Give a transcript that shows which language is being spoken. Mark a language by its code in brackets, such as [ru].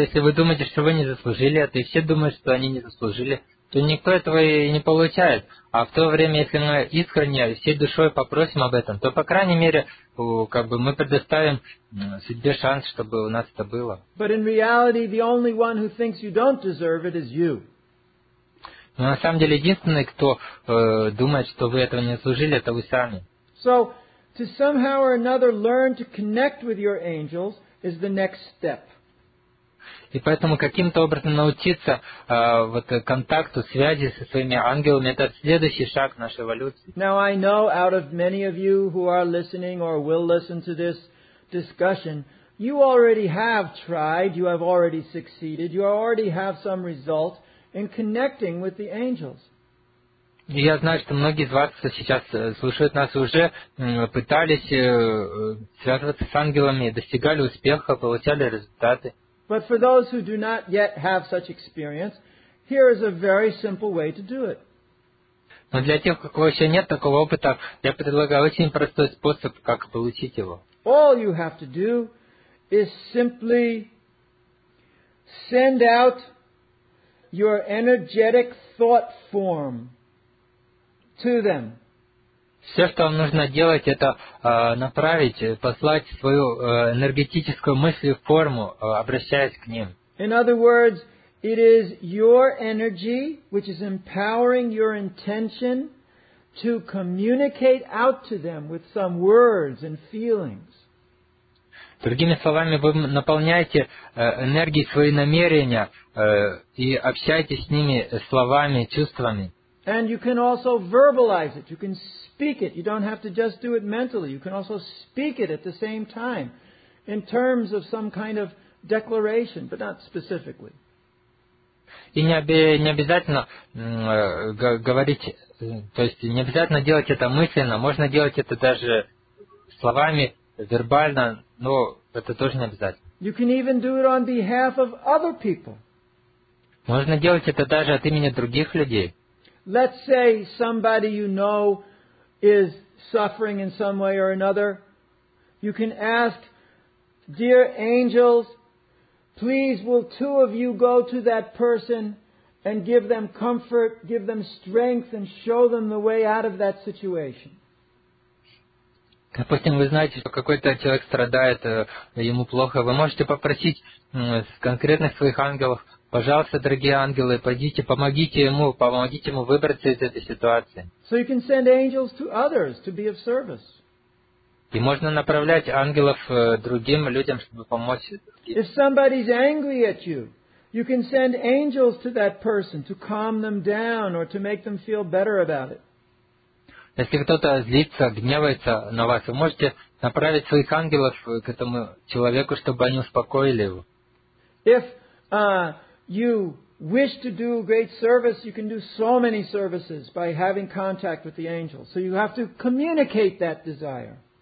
[ru] Если вы думаете, что вы не заслужили это, и все думают, что они не заслужили, то никто этого и не получает. А в то время, если мы искренне всей душой попросим об этом, то по крайней мере как бы мы предоставим судьбе шанс, чтобы у нас это было. [en] But in reality, the only one who thinks you don't deserve it is you. [ru] Но на самом деле единственный, кто думает, что вы этого не заслужили, это вы сами. [en] So to somehow or another learn to connect with your angels is the next step. [ru] И поэтому каким-то образом научиться вот контакту, связи со своими ангелами, это следующий шаг нашей эволюции. [en] Now I know out of many of you who are listening or will listen to this discussion, you already have tried, you have already succeeded, you already have some result in connecting with the angels. [ru] И я знаю, что многие из вас, кто сейчас слушает нас, уже пытались связываться с ангелами, достигали успеха, получали результаты. [en] But for those who do not yet have such experience, here is a very simple way to do it. [ru] Но для тех, у кого еще нет такого опыта, я предлагаю очень простой способ, как получить его. [en] All you have to do is simply send out your energetic thought form to them. [ru] Все, что вам нужно делать, это направить, послать свою энергетическую мысль в форму, обращаясь к ним. [en] In other words, it is your energy, which is empowering your intention to communicate out to them with some words and feelings. [ru] Другими словами, вы наполняете энергией свои намерения и общаетесь с ними словами, чувствами. [en] And you can also verbalize it. You can speak it. You don't have to just do it mentally. You can also speak it at the same time in terms of some kind of declaration, but not specifically. [ru] И не обязательно говорить, то есть не обязательно делать это мысленно. Можно делать это даже словами, вербально, но это тоже не обязательно. [en] You can even do it on behalf of other people. [ru] Можно делать это даже от имени других людей. [en] Let's say somebody you know is suffering in some way or another. You can ask, dear angels, please will two of you go to that person and give them comfort, give them strength, and show them the way out of that situation. [ru] Допустим, вы знаете, что какой-то человек страдает, ему плохо. Вы можете попросить конкретных своих ангелов, пожалуйста, дорогие ангелы, пойдите, помогите ему выбраться из этой ситуации. [en] So you can send angels to others to be of service. [ru] И можно направлять ангелов другим людям, чтобы помочь. [en] If somebody's angry at you, you can send angels to that person to calm them down or to make them feel better about it. [ru] Если кто-то злится, гневается на вас, вы можете направить своих ангелов к этому человеку, чтобы они успокоили его. [en] If you wish to do great service, you can do so many services by having contact with the angels. So you have to communicate that desire.